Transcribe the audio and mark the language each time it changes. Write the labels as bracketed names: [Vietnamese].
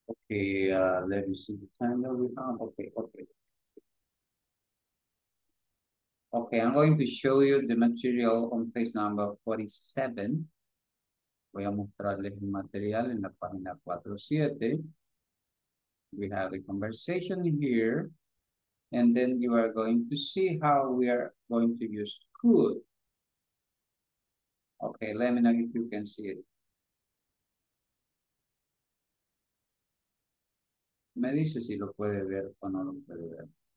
[English] Okay, let me see the time that we have, okay. Okay, I'm going to show you the material on page number 47. [Spanish] Voy a mostrarles el material en la página 47. [English] We have a conversation here. And then you are going to see how we are going to use could. Okay, let me know if you can see it. [Spanish] Me dice si lo puede ver o no lo puede ver.